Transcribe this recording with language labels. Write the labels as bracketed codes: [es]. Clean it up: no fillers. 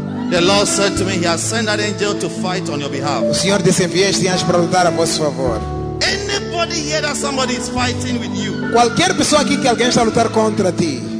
[en] The Lord said to me, He has sent that angel to fight on your behalf. [pt] O Senhor disse, enviei este anjo para lutar a vosso favor. [en] Anybody here that somebody is fighting with you? [pt] Qualquer pessoa aqui que alguém está a lutar contra ti.